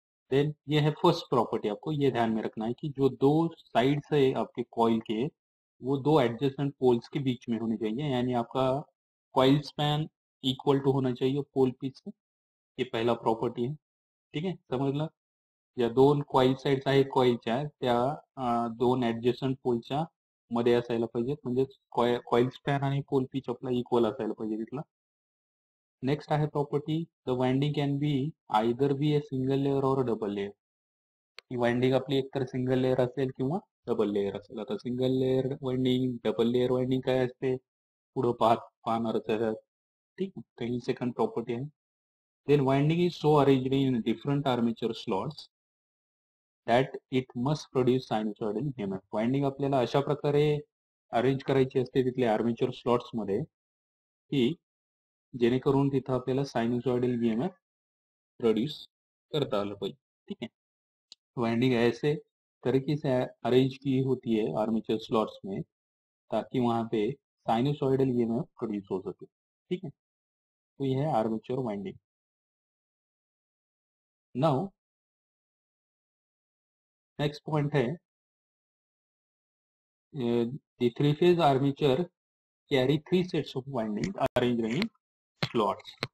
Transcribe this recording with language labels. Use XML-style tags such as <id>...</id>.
<hi>Then ये है first property, आपको ये ध्यान में रखना है कि जो दो साइड है आपके कॉइल के वो दो एडजेसेंट पोल्स के बीच में होने चाहिए, यानी आपका कॉइल स्पैन इक्वल टू होना चाहिए पोल पिच से, ये पहला प्रॉपर्टी है, ठीक है, समझ लो।</hi> <mr>या दोन कॉइल साइड्स आहे कॉइलच्या, त्या दोन ऍडजेसंट पोलच्या मध्ये असायला पाहिजेत, म्हणजे कॉइल स्पॅन आणि पोल पिच आपला इक्वल असायला पाहिजे तिथला.</mr> <en>Next आहे property, the winding can be either be a single layer और double layer.</en> <mr>ही वाइंडिंग आपली एकतर सिंगल लेअर असेल किंवा डबल लेअर असेल. आता single layer winding, double layer winding काय असते पुढे पाहणारच आहे. ठीक आहे, ही सेकंड प्रॉपर्टी आहे.</mr> <en>Then winding is so arranged in different armature slots that it must produce sinusoidal EMF.</en> <mr>Winding आपल्याला अशा प्रकारे अरेंज करायची असते तिथल्या आर्मेचर स्लॉट्समध्ये की जेणेकरून तिथं आपल्याला साइनसॉइडल ईएमएफ प्रोड्यूस करता आलं पाहिजे.</mr> <hi>ठीक आहे, वाइंडिंग ऐसे तरीके से अरेंज की होती है आर्मेचर स्लॉट्स में ताकि वहां पे साइनसॉइडल ईएमएफ प्रोड्यूस हो सके. ठीक है, तो यह है armature winding.</hi> <en>Now next point है, the three phase armature carry three sets of winding arrange in slots.</en>